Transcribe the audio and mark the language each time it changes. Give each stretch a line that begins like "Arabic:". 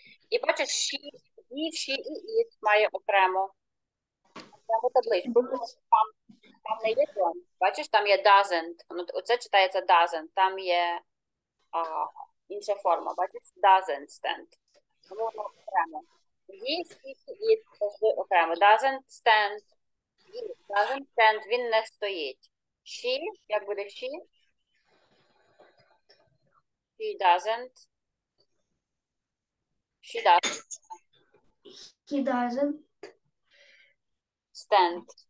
Ukrainian: І бачиш, she, he, she і it має окремо. Окрему табличку. Там не є don't. Бачиш, там є doesn't. Оце читається doesn't. Там є інша форма. Бачиш,
English: doesn't stand.
Ukrainian: Тому воно окремо. He, she, he, it завжди окремо.
English: Doesn't stand. He, doesn't stand.
Ukrainian: Він не стоїть. She, як буде she?
English: She doesn't. She doesn't. He doesn't. Stand.